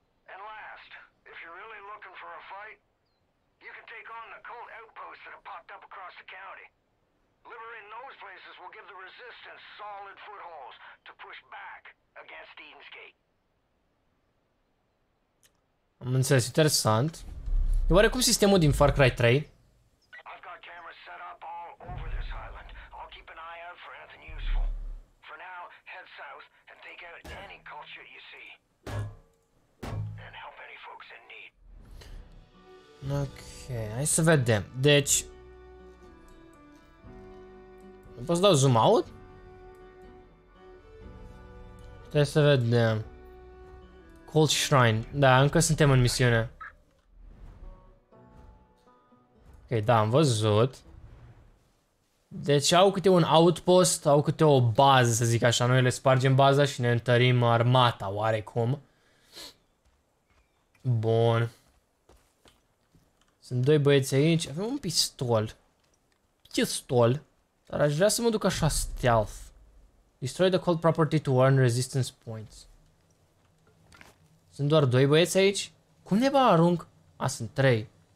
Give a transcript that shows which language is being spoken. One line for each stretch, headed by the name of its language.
English: And last, if you're really looking for a fight, you can take on the cult outposts that have popped up across the county. Liberating those places will give the resistance solid footholds to push back against Eden's Gate.
Romanian: Am înțeles, interesant. E oarecum sistemul din Far Cry 3.
English: I've got cameras set up all over this island. I'll keep an eye out for anything useful. For now, head south and take out any culture you see. And help any folks in need.
Romanian: Ok, hai să vedem. Deci... Poți să dau zoom out? Trebuie să vedem. Cold Shrine. Da, încă suntem în misiune. Okay, da, am văzut. Deci au câte un outpost, au câte o bază, să zic așa. Noi le spargem baza și ne întărim armata, oarecum. Bun. Sunt doi băieți aici. Avem un pistol. Pistol. Dar aș vrea să mă duc așa stealth.
English: Destroy the cold property to earn resistance points.
Romanian: Sunt doar doi băieți aici? Cum ne va arunc? A, sunt trei.